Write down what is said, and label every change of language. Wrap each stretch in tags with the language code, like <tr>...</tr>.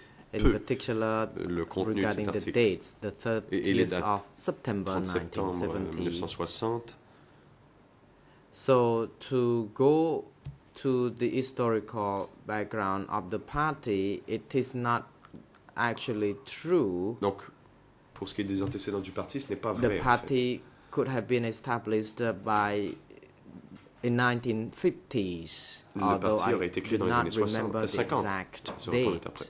<en>In particular, regarding the dates, the 30th of September 1970. So to go to the historical background of the party, it is not actually true.</en> <fr>Donc, pour ce qui est des antécédents du parti, ce n'est pas vrai.</fr> <en>The party could have been established in 1950s, although I do not remember the exact date.</en>